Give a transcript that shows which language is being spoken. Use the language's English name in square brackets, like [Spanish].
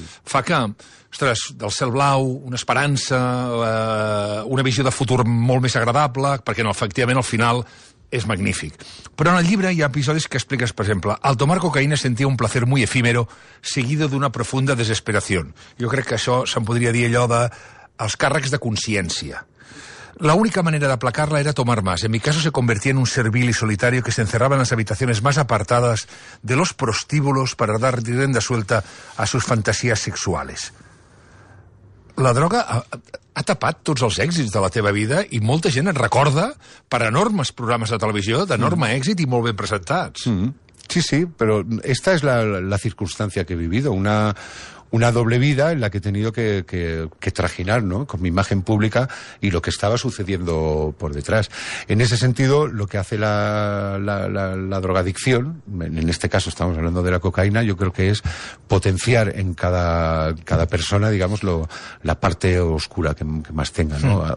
[Catalan] Fa que, ostres, del cel blau, una esperança, una visió de futur molt més agradable, perquè efectivament al final és magnífic. Però en el llibre hi ha episodis que expliques, per exemple, al tomar cocaïna sentia un placer muy efímero seguido d'una profunda desesperació. Jo crec que això se'n podria dir allò de els càrrecs de consciència. [Spanish] La única manera de aplacarla era tomar más. En mi caso se convertía en un servil y solitario que se encerraba en las habitaciones más apartadas de los prostíbulos para dar rienda suelta a sus fantasías sexuales. [Catalan] La droga ha tapat tots els èxits de la teva vida i molta gent et recorda per enormes programes de televisió d'enorme èxit i molt ben presentats. Mm-hmm. [Spanish] Sí, sí, pero esta es la circunstancia que he vivido, una doble vida en la que he tenido que trajinar, ¿no? Con mi imagen pública y lo que estaba sucediendo por detrás. En ese sentido, lo que hace la drogadicción, en este caso estamos hablando de la cocaína, yo creo que es potenciar en cada persona, digamos, la parte oscura que más tenga, ¿no?